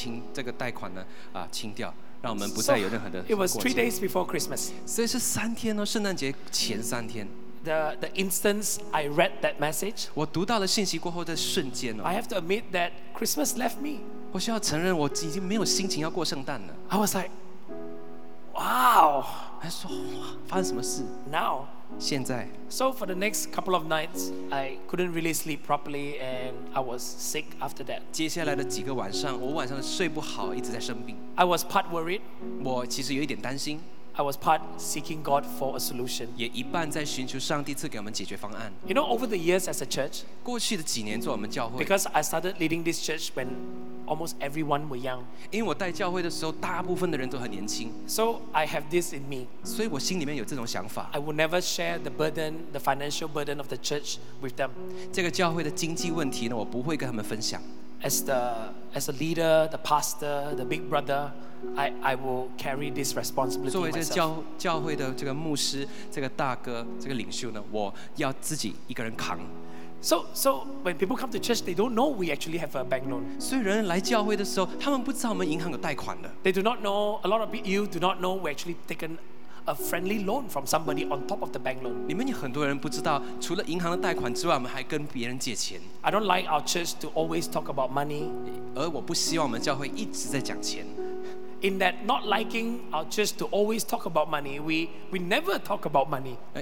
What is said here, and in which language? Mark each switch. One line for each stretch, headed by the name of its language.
Chinese: 可能是时候呢，我们把这个贷款呢清掉，让我们不再有任何的。
English: It was 3 days before Christmas.
Chinese: 所以是三天哦，圣诞节前三天。
English: The instance I read that message,
Chinese: 我读到了信息过后的瞬间哦,
English: I have to admit that Christmas left me.
Chinese: 我需要承认我已经没有心情要过圣诞了。
English: I was like, wow.
Chinese: 还说发生什么事?
English: Now.
Chinese: 现在,
English: so for the next couple of nights, I couldn't really sleep properly and I was sick after that.
Chinese: 接下来的几个晚上，我晚上睡不好，一直在生病。
English: I was part worried.
Chinese: 我其实有一点担心。
English: I was part seeking God for a solution. You know, over the years as a church, because I started leading this church when almost everyone were young.
Chinese: 因为我带教会的时候，大部分的人都很年轻。
English: So I have this in me.
Chinese: 所以我心里面有这种想法。
English: I will never share the burden, the financial burden of the church with them.
Chinese: 这个教会的经济问题呢，我不会跟他们分享。
English: As a leader, the pastor, the big brother, I will carry this responsibility myself.
Chinese: 作为这个教会的这个牧师、这个大哥、这个领袖呢，我要自己一个人扛。
English: So when people come to church, they don't know we actually have a bank loan.
Chinese: 所以人来教会的时候，他们不知道我们银行有贷款的。
English: They do not know. A lot of you do not know we actually taken a friendly loan from somebody on top of the bank loan.
Chinese: 你们有很多人不知道，除了银行的贷款之外，我们还跟别人借钱。
English: I don't like our church to always talk about money.
Chinese: 而我不希望我们教会一直在讲钱。
English: In that not liking our church to always talk about money, we never talk about money.